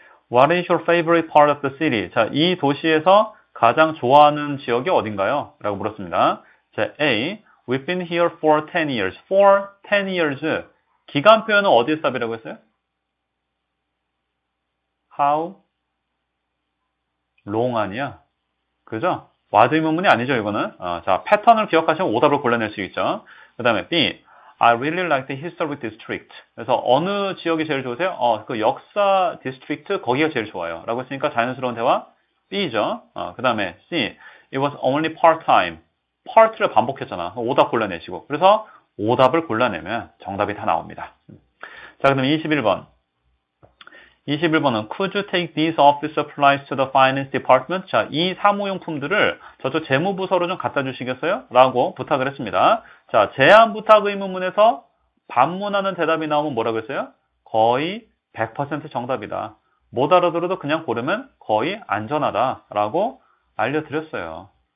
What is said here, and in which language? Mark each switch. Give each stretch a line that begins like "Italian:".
English: What is your favorite part of the city?
Korean: 자, 이 도시에서 가장 좋아하는 지역이 어딘가요? 라고 물었습니다. 자, A.
English: We've been here for 10 years. For 10 years.
Korean: 기간 표현은 어디에 stop이라고 했어요? How long 아니야? 그죠? What 의문문이 아니죠, 이거는. 자, 패턴을 기억하시면 오답을 골라낼 수 있죠. 그 다음에 B.
English: I really like the historic district.
Korean: 그래서 어느 지역이 제일 좋으세요? 그 역사 디스트릭트 거기가 제일 좋아요. 라고 했으니까 자연스러운 대화 B죠. 그 다음에 C.
English: It was only part time.
Korean: part를 반복했잖아. 오답 골라내시고. 그래서 오답을 골라내면 정답이 다 나옵니다. 자, 그 다음에 21번. 21번은
English: Could you take these office supplies to the finance department?
Korean: 자, 이 사무용품들을 저쪽 재무부서로 좀 갖다 주시겠어요? 라고 부탁을 했습니다. 자, 제안 부탁 의문문에서 반문하는 대답이 나오면 뭐라고 했어요? 거의 100% 정답이다. 못 알아들어도 그냥 고르면 거의 안전하다라고 알려드렸어요.